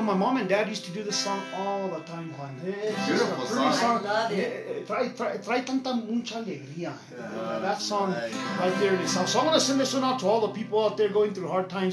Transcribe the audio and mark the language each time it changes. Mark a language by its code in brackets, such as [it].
[en] My mom and dad used to do this song all the time, Juan. Beautiful song. [es] Trae tanta mucha alegría. [en] That song right there in itself. So I'm going to send this one out to all the people out there going through hard times.